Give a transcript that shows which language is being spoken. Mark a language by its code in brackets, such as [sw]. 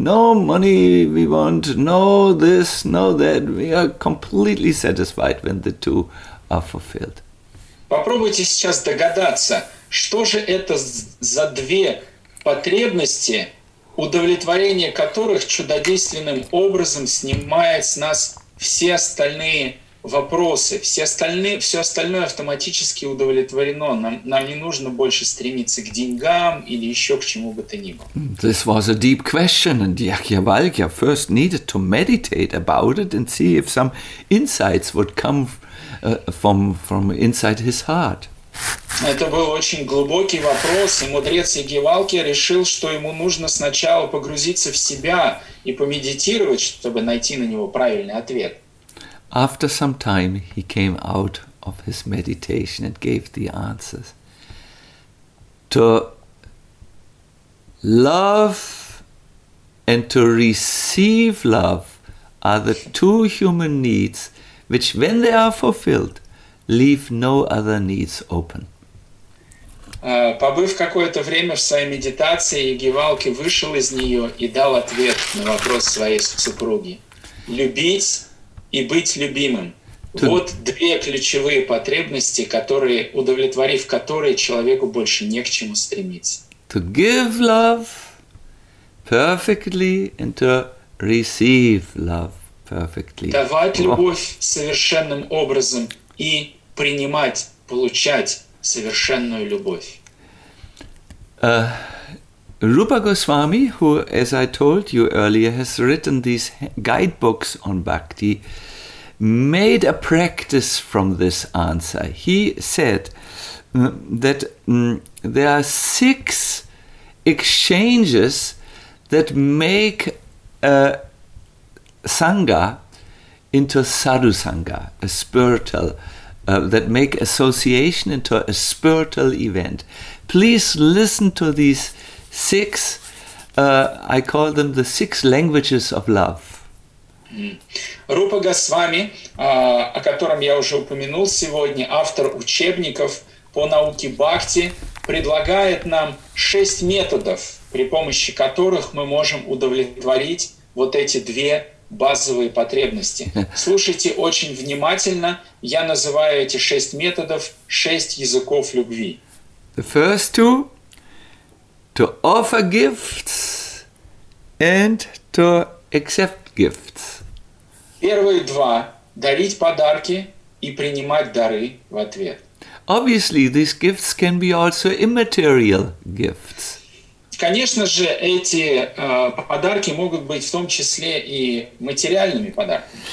[en] No money we want, no this, no that. We are completely satisfied when the two are fulfilled. [ru] Попробуйте сейчас догадаться, что же это за две потребности, удовлетворение которых чудодейственным образом снимает с нас все остальные вопросы, все остальное автоматически удовлетворено. Нам не нужно больше стремиться к деньгам или еще к чему бы то ни было. [en] This was a deep question, and Yajnavalkya first needed to meditate about it and see if some insights would come from inside his heart. [ru] Это был очень глубокий вопрос, и мудрец Ягьявалкья решил, что ему нужно сначала погрузиться в себя и помедитировать, чтобы найти на него правильный ответ. [en] After some time, he came out of his meditation and gave the answers. To love and to receive love are the two human needs, which, when they are fulfilled, leave no other needs open. [ru] Побыв какое-то время в своей медитации, Ягьявалкья вышел из нее и дал ответ на вопрос своей супруги. Любить и быть любимым. Вот две ключевые потребности, которые, удовлетворив которые, человеку больше не к чему стремиться. [en] To give love perfectly and to receive love perfectly. [ru] Давать любовь совершенным образом и принимать, получать совершенную любовь. [en] Rupa Goswami, who, as I told you earlier, has written these guidebooks on bhakti, made a practice from this answer. He said that there are six exchanges that make a sangha into sadhu sangha, a spiritual, that make association into a spiritual event. Please listen to these six, I call them the six languages of love. [ru] Рупа Госвами, о котором я уже упомянул сегодня, автор учебников по науке бхакти, предлагает нам 6 методов, при помощи которых мы можем удовлетворить вот эти две базовые потребности. Слушайте очень внимательно, я называю эти 6 методов 6 языков любви. [en] The first two – to offer gifts and to accept gifts. [ru] Первые два – дарить подарки и принимать дары в ответ. [en] Obviously, these gifts can be also immaterial gifts. [ru] Конечно же, эти подарки могут быть в том числе и материальными подарками.